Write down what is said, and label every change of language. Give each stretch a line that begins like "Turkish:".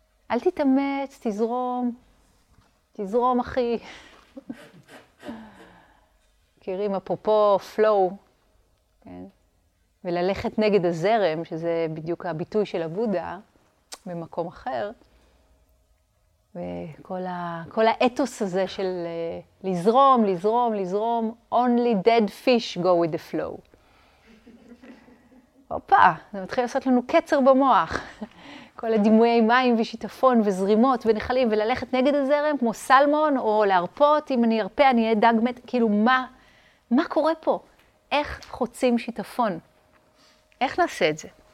Hebrew: אל תתאמץ, תזרום אחי. קירים אפופו פלואו, כן? וללכת נגד הזרם, שזה בדיוק הביטוי של הבודה, במקום אחר. וכל כל האתוס הזה של לזרום,
English: only dead fish go with the flow.
Hebrew: הופה, זה מתחיל לעשות לנו קצר במוח. כל הדימויי מים ושיטפון וזרימות ונחלים, וללכת נגד הזרם כמו סלמון, או להרפות, אם אני ארפה אני אהיה דג מת, כאילו מה קורה פה? איך חוצים שיטפון? איך נעשה את זה?